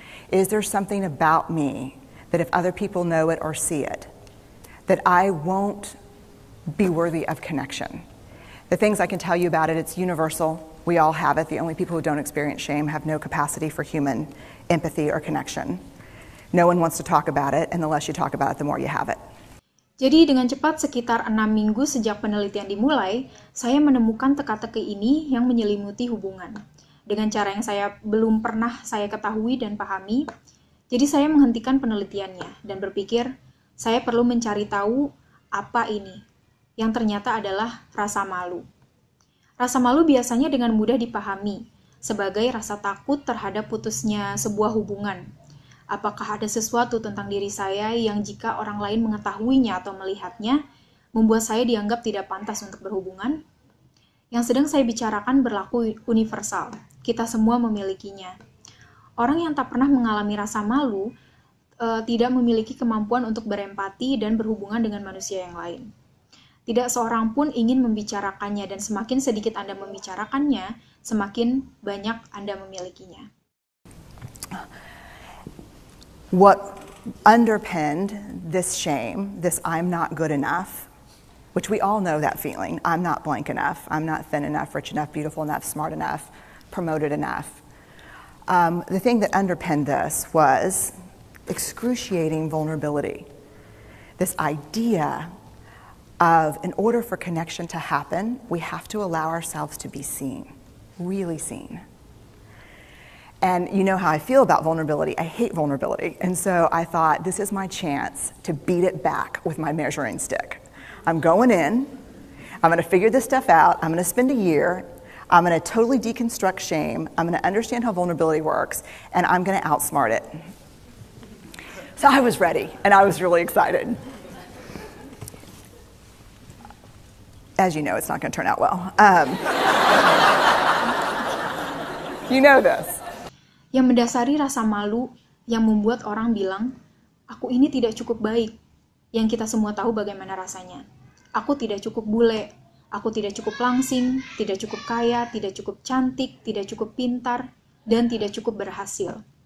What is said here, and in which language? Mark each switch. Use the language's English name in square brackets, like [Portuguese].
[English] Is there something about me that if other people know it or see it, that I won't be worthy of connection? The things I can tell you about it, it's universal. We all have it. The only people who don't experience shame have no capacity for human empathy or connection. No one wants to talk about it, and the less you talk about it, the more you have it. [Indonesian] Jadi dengan cepat sekitar 6 minggu sejak penelitian dimulai, saya menemukan teka-teki ini yang menyelimuti hubungan dengan cara yang saya belum pernah saya ketahui dan pahami. Jadi saya menghentikan penelitiannya dan berpikir, saya perlu mencari tahu apa ini, yang ternyata adalah rasa malu. Rasa malu biasanya dengan mudah dipahami sebagai rasa takut terhadap putusnya sebuah hubungan. Apakah ada sesuatu tentang diri saya yang jika orang lain mengetahuinya atau melihatnya, membuat saya dianggap tidak pantas untuk berhubungan? Yang sedang saya bicarakan berlaku universal. Kita semua memilikinya. Orang yang tak pernah mengalami rasa malu, tidak memiliki kemampuan untuk berempati dan berhubungan dengan manusia yang lain. Tidak seorang pun ingin membicarakannya, dan semakin sedikit Anda membicarakannya, semakin banyak Anda memilikinya. [English] What underpinned this shame, this I'm not good enough, which we all know that feeling, I'm not blank enough, I'm not thin enough, rich enough, beautiful enough, smart enough, promoted enough. The thing that underpinned this was excruciating vulnerability. This idea of in order for connection to happen, we have to allow ourselves to be seen, really seen. And you know how I feel about vulnerability. I hate vulnerability. And so I thought, this is my chance to beat it back with my measuring stick. I'm going in. I'm going to figure this stuff out. I'm going to spend a year. I'm going to totally deconstruct shame. I'm going to understand how vulnerability works. And I'm going to outsmart it. So I was ready. And I was really excited. As you know, it's not going to turn out well. You know this. [Indonesian] Yang mendasari rasa malu yang membuat orang bilang, aku ini tidak cukup baik, yang kita semua tahu bagaimana rasanya. Aku tidak cukup bule, aku tidak cukup langsing, tidak cukup kaya, tidak cukup cantik, tidak cukup pintar, dan tidak cukup berhasil.